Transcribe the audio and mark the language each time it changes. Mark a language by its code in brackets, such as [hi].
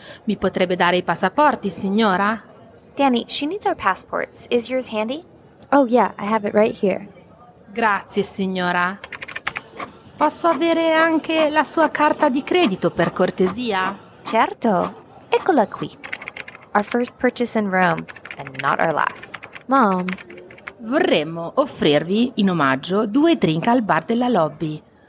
[it] Mi potrebbe dare i passaporti, signora? [en] Danny, she needs our passports. Is yours handy? Oh, yeah, I have it right here. [it] Grazie, signora. Posso avere anche la sua carta di credito, per cortesia? Certo. Eccola qui. [en] Our first purchase in Rome, and not our last. Mom. [it] Vorremmo offrirvi, in omaggio, due drink al bar della lobby.